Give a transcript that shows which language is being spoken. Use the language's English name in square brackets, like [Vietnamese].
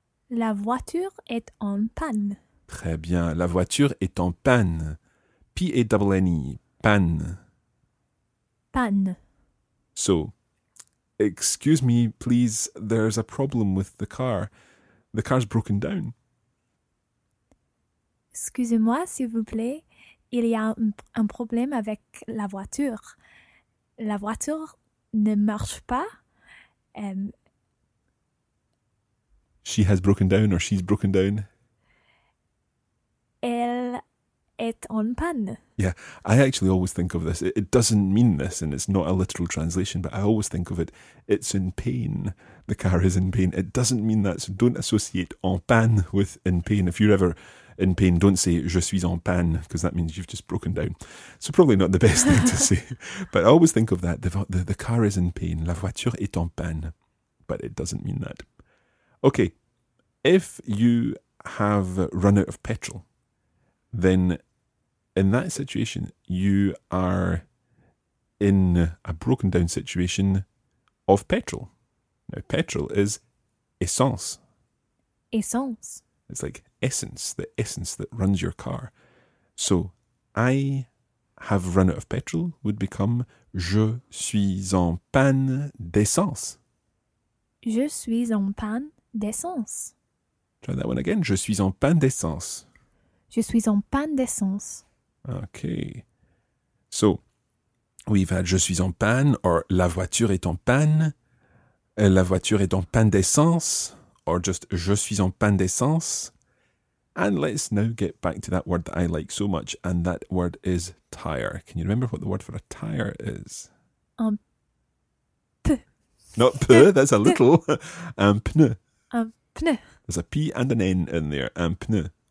[French] La voiture est en panne. Très bien. La voiture est en panne. P-A-N-N-E. Panne. Panne. [English] So, excuse me, please. There's a problem with the car. The car's broken down. [French] Excusez-moi, s'il vous plaît. Il y a un problème avec la voiture. La voiture ne marche pas. [English] She has broken down, or she's broken down. [French] Elle est en panne. [English] Yeah, I actually always think of this. It doesn't mean this, and it's not a literal translation, but I always think of it. It's in pain. The car is in pain. It doesn't mean that, so don't associate en panne with in pain. If you're ever in pain, don't say [French] je suis en panne, [English] because that means you've just broken down. So probably not the best thing to say. But I always think of that. The car is in pain. [French] La voiture est en panne. [English] But it doesn't mean that. Okay, if you have run out of petrol, then in that situation, you are in a broken down situation of petrol. Now, petrol is essence. [French] Essence. [English] It's like essence that runs your car. So, I have run out of petrol would become [French] je suis en panne d'essence. Je suis en panne d'essence. [English] Try that one again. [French] Je suis en panne d'essence. Je suis en panne d'essence. [English] Okay. So, we've had [French] je suis en panne, or la voiture est en panne. La voiture est en panne d'essence, or just je suis en panne d'essence. [English] And let's now get back to that word that I like so much, and that word is tire. Can you remember what the word for a tire is? [French] Un pneu. [English] Not pneu, that's a little. [French] Un pneu. Un pneu. [English] There's a P and an N in there. [French] Un pneu.